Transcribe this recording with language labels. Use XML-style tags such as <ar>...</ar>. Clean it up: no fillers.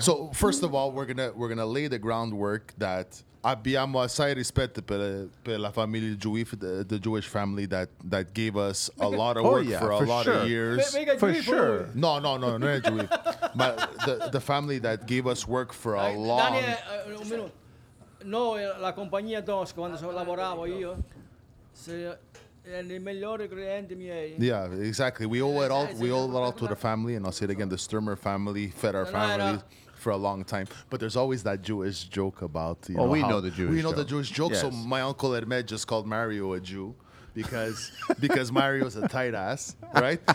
<en>So first of all, we're gonna lay the groundwork that</en> <it>abbiamo assai rispetto per la famiglia</it> <en>Jewish, the Jewish family that gave us a lot of work for a lot of years. For sure. No, not Jewish. But the family that gave us work for a long time.</en> <it>No, la compagnia Dosca, quando lavoravo io.</it> <en>Yeah, exactly. We owe it all. We owe it all to the family, and I'll say it again: the Sturmer family fed our family for a long time. But there's always that Jewish joke about. You know, we know the Jewish joke. Yes. So my uncle Hermed just called Mario a Jew because Mario's a tight ass, right?</en>